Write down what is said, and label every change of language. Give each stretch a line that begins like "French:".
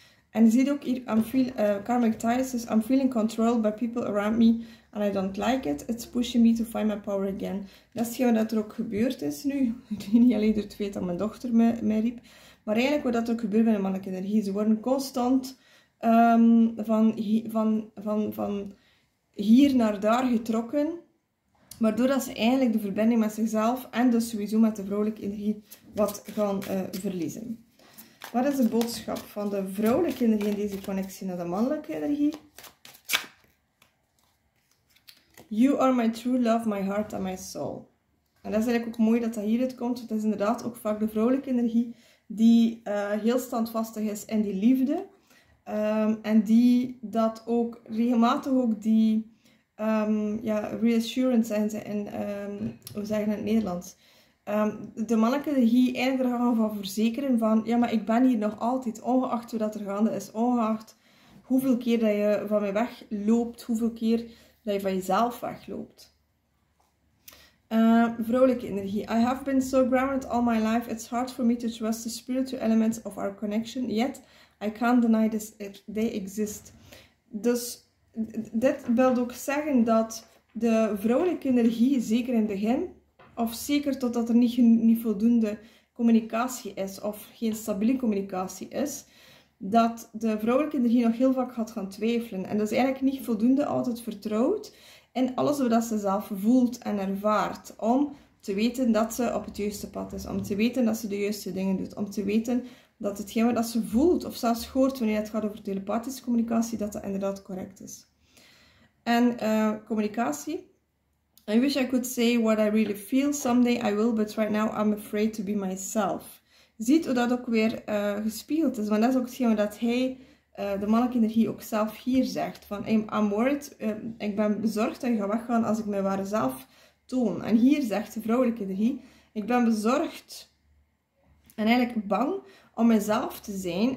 Dutch: En je ziet ook hier,
English: karmic ties, dus I'm feeling controlled by people around me and I don't like it. It's pushing me to find my power again.
Dutch: Dat is hetgeen wat er ook gebeurd is nu. Niet alleen door het feit dat mijn dochter mij riep. Maar eigenlijk wat er ook gebeurt met de mannelijke energie. Ze worden constant van hier naar daar getrokken. Waardoor dat ze eigenlijk de verbinding met zichzelf en dus sowieso met de vrouwelijke energie wat gaan verliezen. Wat is de boodschap van de vrouwelijke energie in deze connectie naar de mannelijke energie?
English: You are my true love, my heart and my soul.
Dutch: En dat is eigenlijk ook mooi dat dat hieruit komt. Het is inderdaad ook vaak de vrouwelijke energie die heel standvastig is in die liefde. En die dat ook regelmatig ook die reassurance zijn ze in, hoe zeggen in het Nederlands... de mannelijke energie eindigt er gewoon van verzekeren van, ja, maar ik ben hier nog altijd, ongeacht wat er gaande is, ongeacht hoeveel keer dat je van mij wegloopt, hoeveel keer dat je van jezelf wegloopt. Vrouwelijke energie.
English: I have been so grounded all my life, it's hard for me to trust the spiritual elements of our connection, yet I can't deny this, they exist.
Dutch: Dus dit wil ook zeggen dat de vrouwelijke energie, zeker in het begin, of zeker totdat er niet voldoende communicatie is, of geen stabiele communicatie is, dat de vrouwelijke energie nog heel vaak gaat gaan twijfelen. En dat is eigenlijk niet voldoende altijd vertrouwd in alles wat ze zelf voelt en ervaart, om te weten dat ze op het juiste pad is, om te weten dat ze de juiste dingen doet, om te weten dat hetgeen wat ze voelt, of zelfs hoort wanneer het gaat over telepathische communicatie, dat inderdaad correct is. En communicatie...
English: I wish I could say what I really feel. Someday I will, but right now I'm afraid to be myself.
Dutch: Ziet hoe dat ook weer gespiegeld is. Want dat is ook hetgeen dat hij, de mannelijke energie, ook zelf hier zegt. Van,
English: I'm worried,
Dutch: ik ben bezorgd dat je gaat weggaan als ik mijn ware zelf toon. En hier zegt de vrouwelijke energie, ik ben bezorgd en eigenlijk bang om mezelf te zijn.